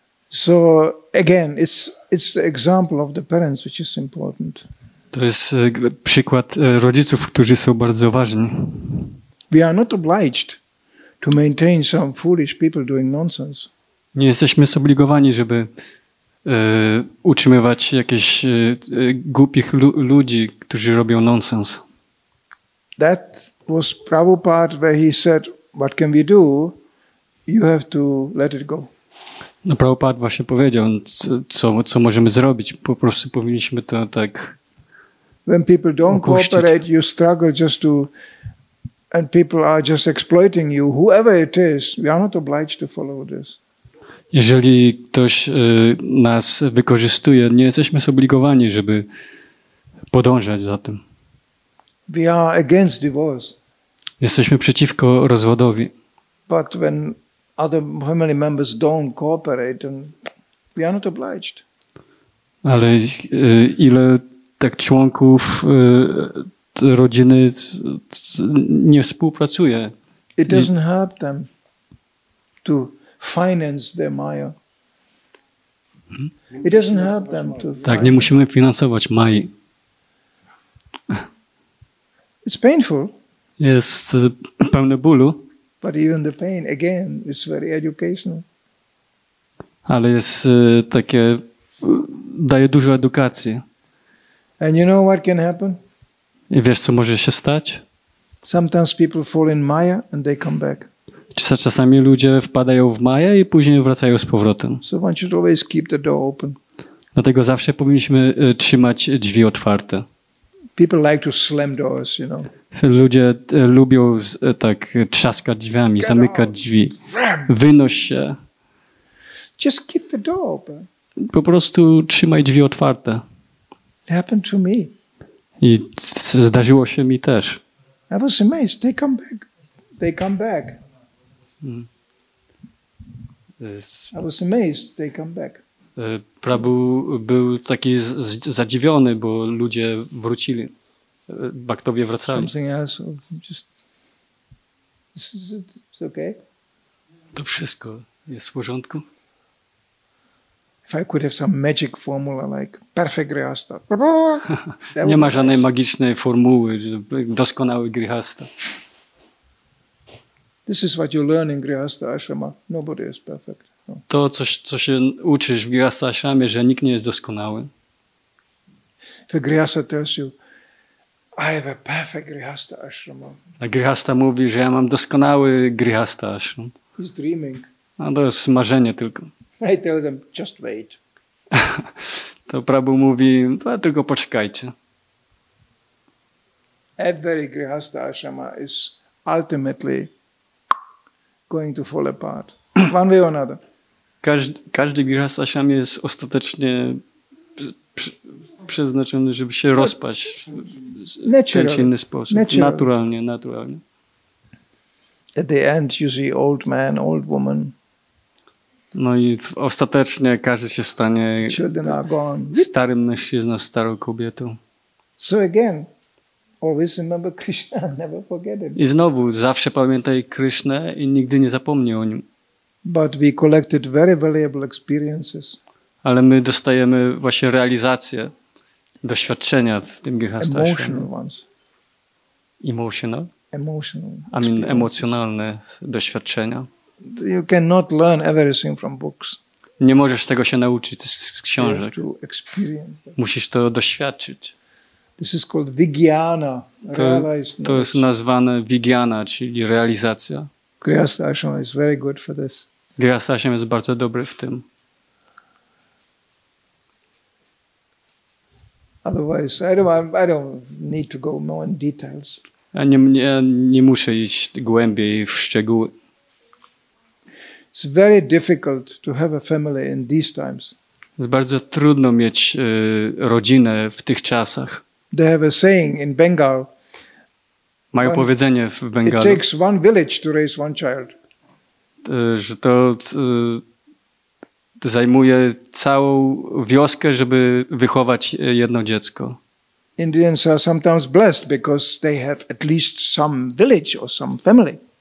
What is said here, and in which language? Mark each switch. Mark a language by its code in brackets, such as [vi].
[en] So again, it's the example of the parents which is important. [pl] To jest przykład rodziców, którzy są bardzo ważni. [en] We are not obliged to maintain some foolish people doing nonsense. [pl] Nie jesteśmy zobligowani, żeby utrzymywać jakieś głupich ludzi, którzy robią nonsens. [en] That was Prabhupada, where he said, "What can we do? You have to let it go." [pl] No, Prabhupada właśnie powiedział, co możemy zrobić. Po prostu powinniśmy to tak. [en] When people don't cooperate, you struggle just to, and people are just exploiting you. Whoever it is, we are not obliged to follow this. [pl] Jeżeli ktoś nas wykorzystuje, nie jesteśmy zobligowani, żeby podążać za tym. [en] We are against divorce. [pl] Jesteśmy przeciwko rozwodowi. [en] But when other family members don't cooperate, then we are not obliged. [pl] Ale ile tak członków rodziny nie współpracuje? [en] It doesn't help them to finance their Maya. It doesn't help them to. [pl] Tak, nie musimy finansować Mai. [en] It's painful. [pl] Jest pełne bólu. [en] But even the pain, again, is very educational. [pl] Ale jest takie, daje dużo edukacji. [en] And you know what can happen? [pl] I wiesz, co może się stać? [en] Sometimes people fall in Maya and they come back. [pl] Czasami ludzie wpadają w Maya i później wracają z powrotem. [en] So one should always keep the door open. [pl] Dlatego zawsze powinniśmy trzymać drzwi otwarte. [en] People like to slam doors, you know. [pl] Ludzie lubią tak trzaskać drzwiami, [en] get [pl] zamykać [en] out. [pl] Drzwi. Wynoś się. [en] Just keep the door open. [pl] Po prostu trzymaj drzwi otwarte. [en] It happened to me. [pl] I zdarzyło się mi też. [en] I was amazed. They come back. They come back. I was amazed. They come back. [pl] Prabhu był taki zadziwiony, bo ludzie wrócili. Bhaktowie wracali. [en] Something else. It's okay. [pl] To wszystko jest w porządku. [en] If I could have some magic formula like perfect grihasta. [pl] Nie ma żadnej magicznej formuły, doskonały grihasta. [en] This is what you learn in grihasta ashrama. Nobody is perfect. No. [pl] To co się uczysz w grihasta ashramie, że nikt nie jest doskonały. [en] If a grihasta tells you, I have a perfect grihasta ashrama. [pl] A grihasta mówi, że ja mam doskonały grihasta ashram. [en] He's dreaming. [pl] A to jest marzenie tylko. [en] I tell them, just wait. [pl] To Prabhu mówi, no, tylko poczekajcie. [en] Every grihasta ashrama is ultimately going to fall apart. One way or another. [pl] Każdy grihasta ashram jest ostatecznie przeznaczony, żeby się rozpaść w ten czy inny sposób. [en] Natural. [pl] Naturalnie. [en] At the end you see old man, old woman. [pl] No i ostatecznie każdy się stanie starym mężczyzną, starą kobietą. [en] So again, always remember Krishna, never forget him. [pl] I znowu, zawsze pamiętaj Krishnę i nigdy nie zapomnij o nim. [en] But we collected very valuable experiences. [pl] Ale my dostajemy właśnie realizację, doświadczenia w tym grihastha. [en] Emotional ones. Emotional? Emotional. I mean [pl] emocjonalne doświadczenia. [en] You cannot learn everything from books. [pl] Nie możesz tego się nauczyć z książek. Musisz to doświadczyć. [en] This is called vigyana. [pl] To jest nazwane vigyana, czyli realizacja. [en] Grihastha is very good for this. [pl] Grihastha jest bardzo dobry w tym. [en] Otherwise, I don't need to go more in details. [pl] Nie muszę iść głębiej w szczegóły. [en] It's very difficult to have a family in these times. [pl] Jest bardzo trudno mieć rodzinę w tych czasach. [en] They have a saying in Bengal. [pl] Mają powiedzenie w Bengalu. [en] It takes one village to raise one child. [pl] Że to zajmuje całą wioskę, żeby wychować jedno dziecko. [en] Indians are sometimes blessed because they have at least some village or some family.